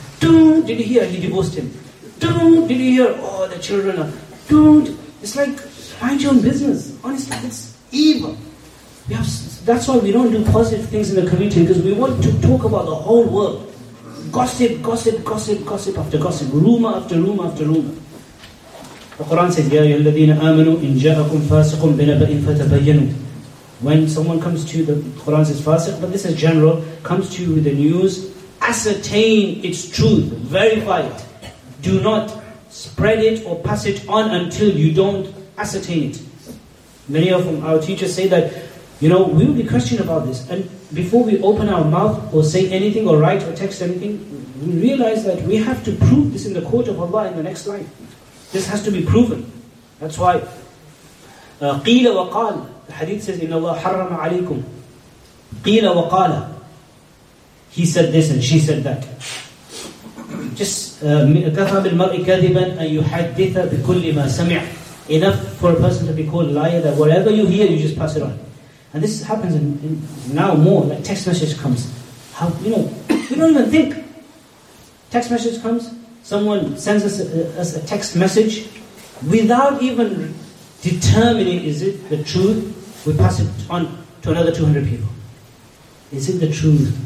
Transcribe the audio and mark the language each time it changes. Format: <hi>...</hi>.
<en>Dude, did you hear he divorced him? Dude, did you hear, oh, the children are... Dude, it's like, mind your own business. Honestly, it's evil. That's why we don't do positive things in the community, because we want to talk about the whole world. Gossip, gossip, gossip, gossip after gossip. Rumor after rumor after rumor. The Quran says,</en> <ar>يَا أَيُّهَا الَّذِينَ آمَنُوا إِنْ جَاءَكُمْ فَاسِقٌ بِنَبَإٍ فَتَبَيَّنُوا.</ar> <en>When someone comes to you, the Quran says fasiq, but this is general, comes to you with the news, ascertain its truth, verify it. Do not spread it or pass it on until you don't ascertain it. Many of them, our teachers say that, you know, we will be questioned about this. And before we open our mouth or say anything or write or text anything, we realize that we have to prove this in the court of Allah in the next life. This has to be proven. That's why</en> <ar>قِيلَ وَقَالَ.</ar> <en>The hadith says,</en> <ar>إِنَّ اللَّهَ حَرَّمَ عَلَيْكُمْ قِيلَ وَقَالَ.</ar> <en>He said this and she said that. Just</en> <ar>كَفَى بِالْمَرْءِ كَذِبًا أَن يُحَدِّثَ بِكُلِّ مَا سَمِعَ.</ar> <en>Enough for a person to be called liar, that whatever you hear, you just pass it on. And this happens in now more, like text message comes. How, you know, we don't even think. Text message comes, someone sends us a text message, without even determining, is it the truth, we pass it on to another 200 people. Is it the truth?</en>